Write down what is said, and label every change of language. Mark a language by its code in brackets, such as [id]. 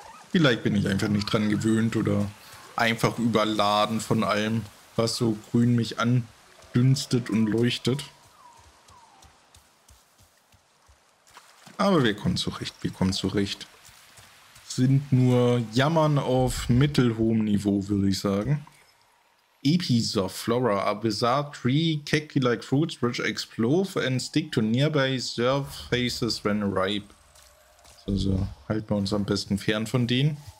[de] Vielleicht bin ich einfach nicht dran gewöhnt oder einfach überladen von allem, was so grün mich andünstet und leuchtet. Aber wir kommen zurecht, wir kommen zurecht. Sind nur Jammern auf mittelhohem Niveau, würde ich sagen. [en] Episoph Flora, a bizarre tree, cacti-like fruits which explode and stick to nearby surfaces when ripe. [de] Also halten wir uns am besten fern von denen.